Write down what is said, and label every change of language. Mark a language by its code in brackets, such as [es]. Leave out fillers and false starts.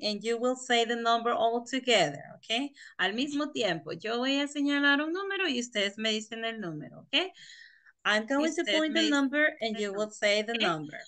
[en] And you will say the number all together, okay? [es] Al mismo tiempo, yo voy a señalar un número y ustedes me dicen el número, okay? [en] I'm going to point the number and you will say the number.